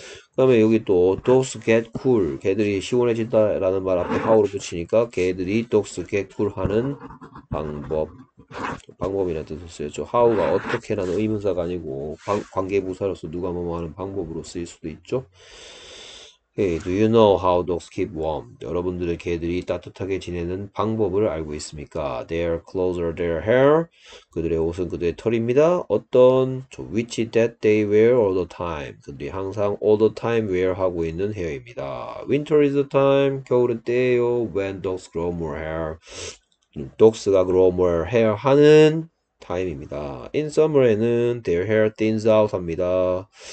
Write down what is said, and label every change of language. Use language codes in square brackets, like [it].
[ko] 그다음에 여기 또 dogs get cool. 개들이 시원해진다라는 말 앞에 how를 붙이니까 개들이 dogs get cool 하는 방법. 방법이라는 뜻을 쓰였죠. How가 어떻게라는 의문사가 아니고 관계부사로서 누가 뭐뭐 하는 방법으로 쓰일 수도 있죠. [en] Hey, do you know how dogs keep warm? [ko] 여러분들의 개들이 따뜻하게 지내는 방법을 알고 있습니까? [en] Their clothes are their hair. [ko] 그들의 옷은 그들의 털입니다. [en] 어떤 which that they wear all the time. [ko] 그들이 항상 all the time wear 하고 있는 헤어입니다. [en] Winter is the time. [ko] 겨울은 때예요. [en] When dogs grow more hair. Dogs가 grow more hair 하는 time입니다. In summer에는 their hair thins out 합니다.